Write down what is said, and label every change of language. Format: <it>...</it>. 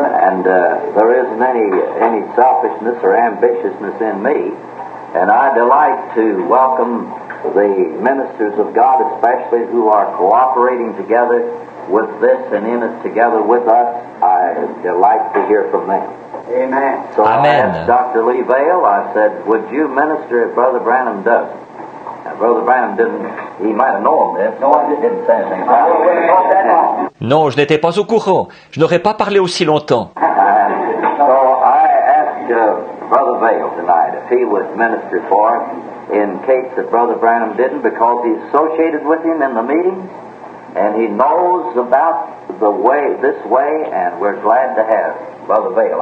<en>And there isn't any selfishness or ambitiousness in me, and I delight to welcome the ministers of God, especially who are cooperating together with this and in it together with us, I delight to hear from them. Amen. So Amen. I asked Dr. Lee Vale, I said, would you minister if Brother Branham does? Now, Brother Branham didn't, he might have known this. No, I didn't say anything about it.</en> <fr>Non, je n'étais pas au courant. Je n'aurais pas parlé aussi longtemps.</fr> <en>So I asked Brother Vale tonight if he would minister for him. In case that Brother Branham didn't, because he's associated with him in the meeting, and he knows about the way, this way, and we're glad to have Brother Vale.</en>